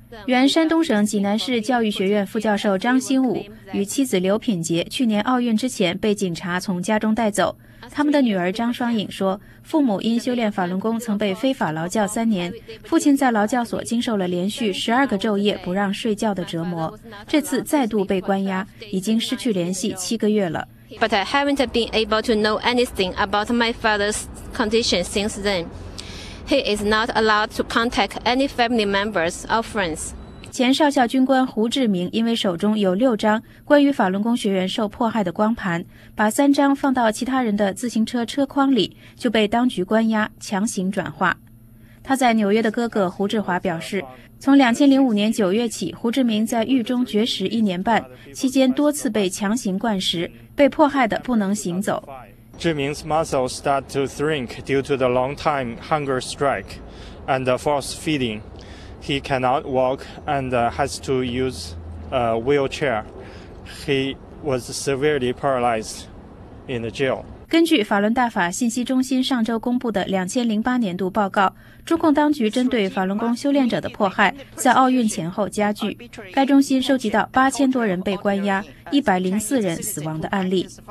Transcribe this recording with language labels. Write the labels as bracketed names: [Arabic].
[Chinese] 原山东省济南市教育学院副教授张新武与妻子刘品杰去年奥运之前被警察从家中带走。他们的女儿张双颖说，父母因修炼法轮功曾被非法劳教三年，父亲在劳教所经受了连续十二个昼夜不让睡觉的折磨，这次再度被关押，已经失去联系七个月了。 [English] But I haven't been able to know anything about my father's condition since then. He is not allowed to contact any family members or friends. [Chinese] 前少校军官胡志明因为手中有六张关于法轮功学员受迫害的光盘，把三张放到其他人的自行车车筐里，就被当局关押强行转化。他在纽约的哥哥胡志华表示，从2005年9月起，胡志明在狱中绝食一年半，期间多次被强行灌食，被迫害的不能行走。 [English] 志明's muscles start to shrink due to the long time hunger strike and the forced feeding. He cannot walk and has to use a wheelchair. He was severely paralyzed in the jail. [Chinese] 根据法轮大法信息中心上周公布的2008年度报告，中共当局针对法轮功修炼者的迫害在奥运前后加剧。该中心收集到8000多人被关押、104人死亡的案例。